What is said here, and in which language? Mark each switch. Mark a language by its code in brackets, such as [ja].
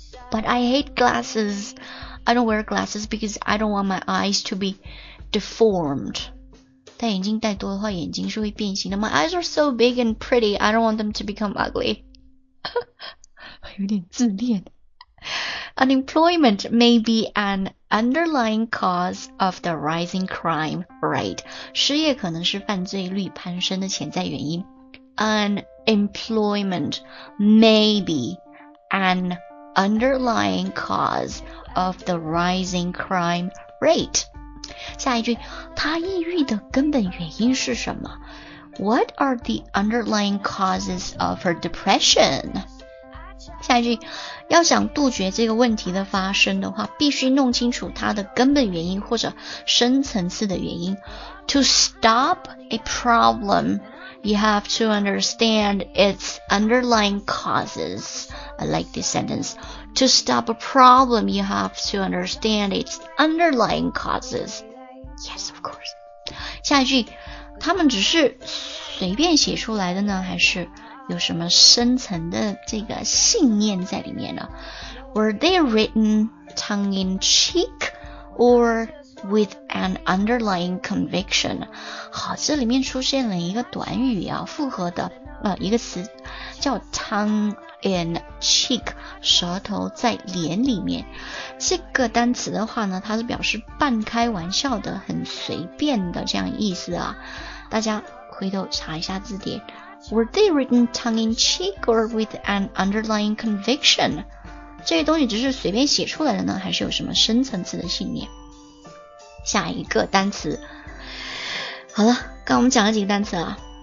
[en] But I hate glasses, I don't wear glasses because I don't want my eyes to be deformed. [zh] 戴眼镜戴多的话眼睛是会变形的。 [en] My eyes are so big and pretty, I don't want them to become ugly. 有点自恋。 Unemployment may be an underlying cause of the rising crime rate. [zh] 失业可能是犯罪率攀升的潜在原因。 [en] Unemployment may be an underlying cause of the rising crime rate. [zh] 下一句，他抑郁的根本原因是什么？ [en] What are the underlying causes of her depression? [zh] 下一句，要想杜绝这个问题的发生的话，必须弄清楚它的根本原因或者深层次的原因。 [en] To stop a problem, you have to understand its underlying causes. I like this sentence. To stop a problem, you have to understand its underlying causes. Yes, of course. [zh] 下一句，他们只是随便写出来的呢，还是有什么深层的这个信念在里面呢？ [en] Were they written tongue in cheek or with an underlying conviction? [zh] 好，这里面出现了一个短语啊，复合的一个词叫 tongue in cheek， 舌头在脸里面。这个单词的话呢，它是表示半开玩笑的、很随便的这样意思啊。大家回头查一下字典。 [en] Were they written tongue-in-cheek or with an underlying conviction? [zh] 这些东西只是随便写出来的呢，还是有什么深层次的信念？下一个单词。好了，刚刚我们讲了几个单词啊。